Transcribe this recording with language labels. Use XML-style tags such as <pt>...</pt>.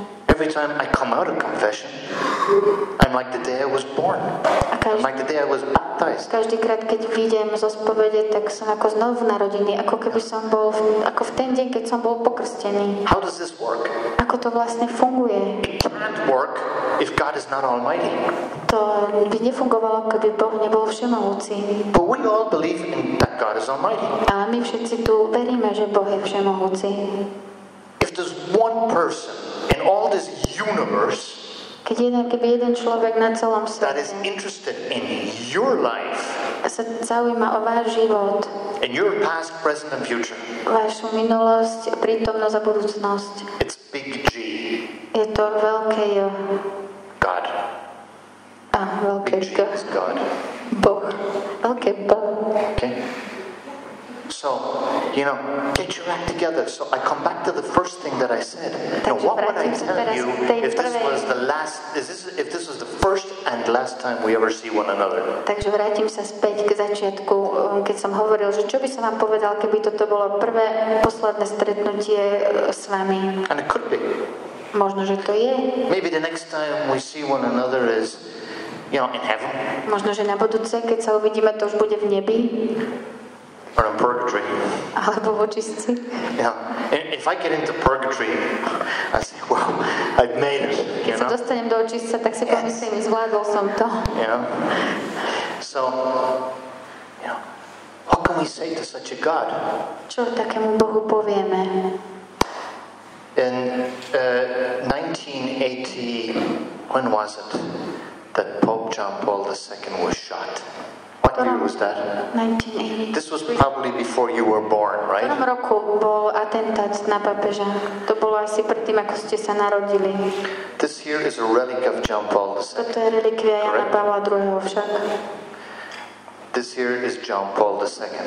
<en>Every time I come out of confession, I'm like the day I was born. I'm like the day I was baptized.</en> <sk>Každý krát, keď vidím zo spovede, tak som ako znovu narodený, ako keby som bol ako v ten deň, keď som bol pokrstený.</sk> <en>How does this work?</en> <sk>Ako to vlastne funguje?</sk> <en>It can't work if God is not almighty.</en> <sk>To by nefungovalo, keby Boh nebol všemohúci.</sk> <en>But we all believe in that God is almighty.</en> <sk>Ale my všetci tu veríme, že Boh je všemohúci.</sk> <en>If there's one person in all this universe,</en> <sk>keby jeden človek na celom svete,</sk> <en>that is interested in your life,</en> <sk>sa zaujíma o váš život,</sk> <en>in your past, present and future,</en> <sk>vašu minulosť, prítomnosť a budúcnosť,</sk> <en>it's big G.</en> <sk>Je to veľké J.</sk> <en>God.</en> <sk>A veľké</sk> <en>big G is God.</en> <sk>Boh. Veľké B.</sk> <en>Okay. So, you know, get your act together. So I come back to the first thing that I said.</en> <sk>Takže</sk> <en>now, what would I tell you if this was the last, if this was the first and last time we ever see one another?</en> <sk>Takže vrátim sa späť k začiatku, keď som hovoril, že čo by som vám povedal, keby toto bolo prvé, posledné stretnutie s vami.</sk> <en>And it could be.</en> <sk>Možno, že to je.</sk> <en>Maybe the next time we see one another is, you know, in heaven.</en> <sk>Možno, že na budúce, keď sa uvidíme, to už bude v nebi.</sk> <en>Or in purgatory.</en> <sk>Alebo vo očistci.</sk> <en>Yeah. If I get into purgatory, I say, well, I've made it.</en> <sk>Keď sa dostanem do očistca, tak si pomyslím, zvládol som to.</sk> <en>You know? So, you know, what can we say to such a God?</en> <sk>Čo takému Bohu povieme?</sk> <en>In 1980, when was it that Pope John Paul II was shot? What year was that? 1980. This was probably before you were born, right?</en> <sk>V tom roku bol atentát na pápeža. To bolo asi predtým, ako ste sa narodili.</sk> <en>This here is a relic of John Paul II.</en> <sk>Toto je relikvia Jana Pavla II. Však.</sk> <en>This here is John Paul II.</en>